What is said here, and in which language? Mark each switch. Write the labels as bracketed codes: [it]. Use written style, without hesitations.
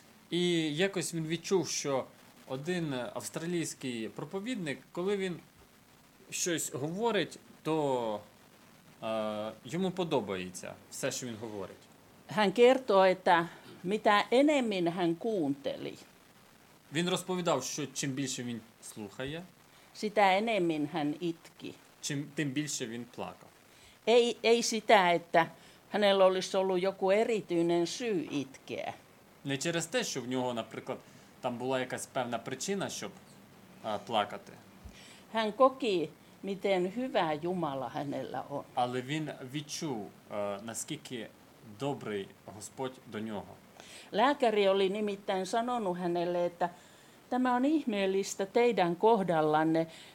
[uk] І якось він відчув, що один австралійський проповідник, коли він щось говорить, то йому подобається все, що він говорить. [fi] Hän kertoo, että mitä enemmän hän kuunteli. [uk] Він розповідав, що чим більше він слухає, [fi] sitä enemmän hän itki. [uk] Тим більше він плакав. [fi] Ei sitä, että hänellä olisi ollut joku erityinen syy itkeä. [uk] Не через те, що в нього, наприклад, там була якась певна причина, щоб плакати. [fi] Hän koki, miten hyvä Jumala hänellä on. [uk] Але він відчув, наскільки добрий Господь до нього. [fi] Lääkäri oli nimittäin sanonut hänelle, että tämä on ihmeellistä teidän kohdallanne.